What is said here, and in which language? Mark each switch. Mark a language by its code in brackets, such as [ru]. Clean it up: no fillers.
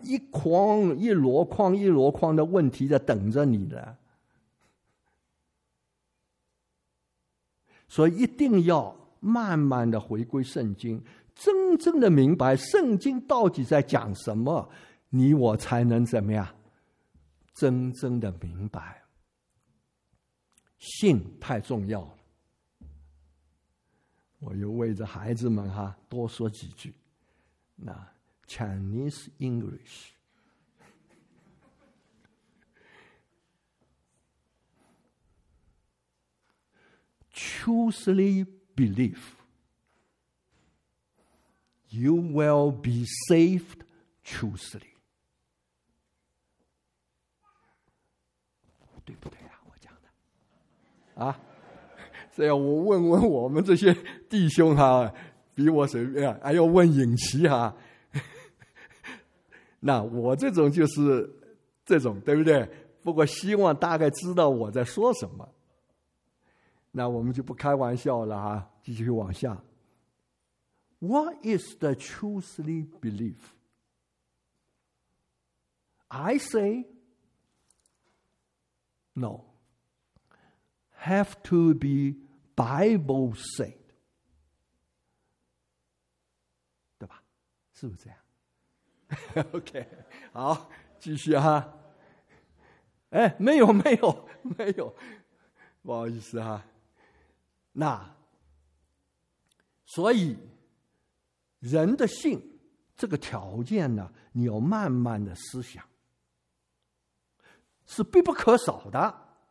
[zh] 一筐一箩筐一箩筐的问题在等着你的，所以一定要慢慢的回归圣经，真正的明白圣经到底在讲什么，你我才能怎么样真正的明白。信太重要了。 [en] 我又为着孩子们哈多说几句，那 Chinese English Truly believe You will be saved truly。 [zh] 对不对啊？我讲的啊，这样我问问我们这些弟兄哈、啊，比我随便，还要问尹奇哈、啊。那我这种就是这种，对不对？不过希望大概知道我在说什么。那我们就不开玩笑了哈、啊，继续往下。 [en] What is the truly belief? I say. No, have to be Bible said, [zh] 对吧？是不是这样？OK, 好，继续哈。哎，没有，没有，没有，不好意思哈。那，所以人的性这个条件呢，你要慢慢的思想，是必不可少的。